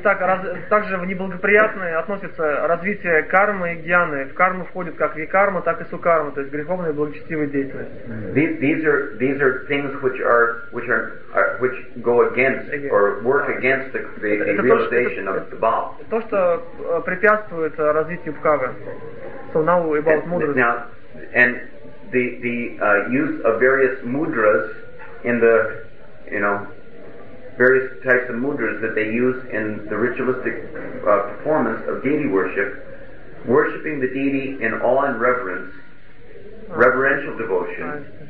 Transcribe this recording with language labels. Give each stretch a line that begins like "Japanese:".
Russian: Итак, также в неблагоприятные относятся развитие кармы и гьяны. В карму входит как викарма, так и сукарма, то есть греховная и благочестивая деятельность.
English: These are things which go against or work against the realization of the Baal.
Russian: То, что препятствует развитию бхавы.
English: So now about mudras. Now, and the use of various mudras in the, you know, various types of mudras that they use in the ritualistic performance of deity worship, worshipping the deity in awe and reverence, reverential devotion.